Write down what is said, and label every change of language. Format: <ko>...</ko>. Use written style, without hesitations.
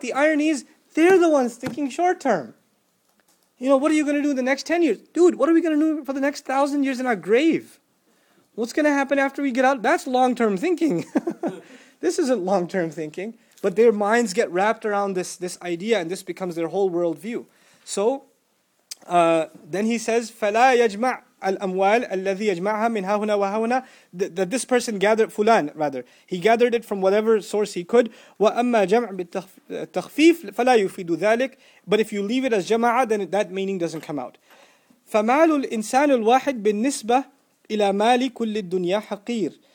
<en>The irony is, they're the ones thinking short term. You know, what are you going to do in the next 10 years? Dude, what are we going to do for the next 1,000 years in our grave? What's going to happen after we get out? That's long-term thinking. This isn't long-term thinking. But their minds get wrapped around this idea, and this becomes their whole worldview. So, then he says,</en> <ar>فَلَا يَجْمَعْ الْأَمْوَالَ الَّذِي يَجْمَعْهَا مِنْ هَهُنَا وَهَهُنَا.</ar> <en>That this person gathered, fulan rather, he gathered it from whatever source he could.</en> <ar>وَأَمَّا جَمْعَ بِالتَّخْفِيفِ فَلَا يُفِيدُ ذَلِكَ.</ar> <en>But if you leave it as jama'a, then that meaning doesn't come out.</en> <ar>فَمَالُ الْإِنسَانُ الْوَاحِدْ بِالنِّسْبَةِ إِلَى مَالِ كُلِّ الدُّنْيَا حَقِيرٌ.</ar>